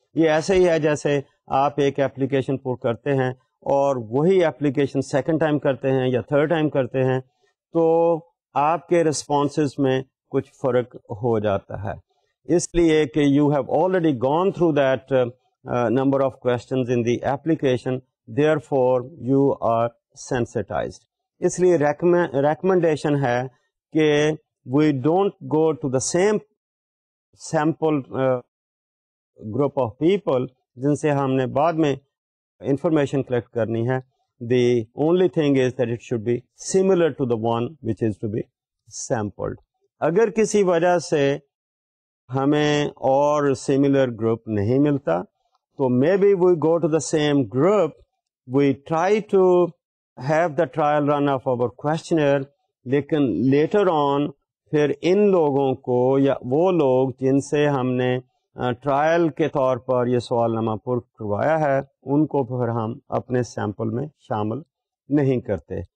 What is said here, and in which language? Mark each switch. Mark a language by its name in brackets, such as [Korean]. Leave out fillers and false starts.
[Urdu] یہ ایسے ہی ہے جیسے آپ ایک اپلیکیشن پر کرتے ہیں اور وہی اپلیکیشن سیکنڈ ٹائم کرتے ہیں یا تھرڈ ٹائم کرتے ہیں تو آپ کے رسپانسز میں کچھ فرق ہو جاتا ہے، اس لیے کہ [English] You have already gone through that number of questions in the application, therefore you are sensitized. [Urdu] اس لیے ریکمنڈیشن ہے کہ [English] we don't go to the same sample group of people [Urdu] جن سے ہم نے بعد میں انفارمیشن کلیکٹ کرنی ہے. [English] The only thing is that it should be similar to the one which is to be sampled. [Urdu] اگر کسی وجہ سے ہمیں اور سیملر گروپ نہیں ملتا تو [English] maybe we go to the same group, we try to have the trial run of our questionnaire, [Urdu] لیکن لیٹر آن پھر ان لوگوں کو یا وہ لوگ جن سے ہم نے ٹرائل کے طور پر یہ سوال نامہ پر کروایا ہے ان کو پھر ہم اپنے سیمپل میں شامل نہیں کرتے.